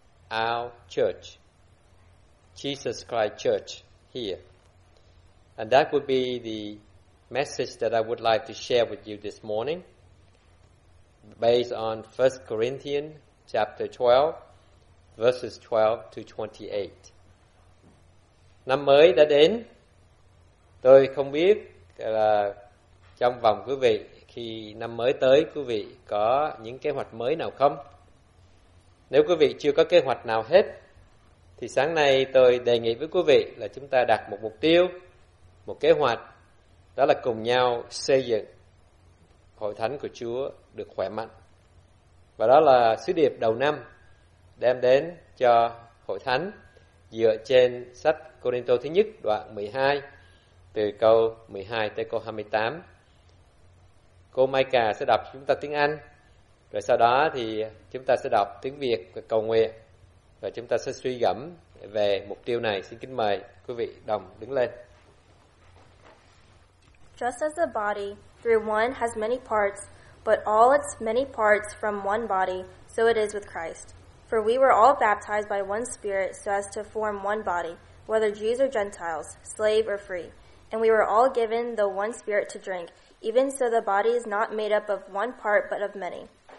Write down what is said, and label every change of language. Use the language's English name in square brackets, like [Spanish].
[English] Our church. Jesus Christ Church here. And that would be the message that I would like to share with you this morning, based on 1 Corinthians chapter 12, verses 12 to 28. [Vietnamese] Năm mới đã đến. Tôi không biết là trong vòng quý vị, khi năm mới tới, quý vị có những kế hoạch mới nào không? Nếu quý vị chưa có kế hoạch nào hết, thì sáng nay tôi đề nghị với quý vị là chúng ta đặt một mục tiêu, một kế hoạch, đó là cùng nhau xây dựng Hội Thánh của Chúa được khỏe mạnh. Và đó là sứ điệp đầu năm đem đến cho Hội Thánh dựa trên sách Côrintô thứ nhất đoạn 12, từ câu 12 tới câu 28. Cô Mai Cà sẽ đọc chúng ta tiếng Anh, rồi sau đó thì chúng ta sẽ đọc tiếng Việt và cầu nguyện, và chúng ta sẽ suy gẫm về mục tiêu này. Xin kính mời quý vị đồng đứng lên. [English] Just as the body, through one, has many parts, but all its many parts from one body, so it is with Christ. For we were all baptized by one Spirit so as to form one body, whether Jews or Gentiles, slave or free. And we were all given the one Spirit to drink, even so the body is not made up of one part but of many.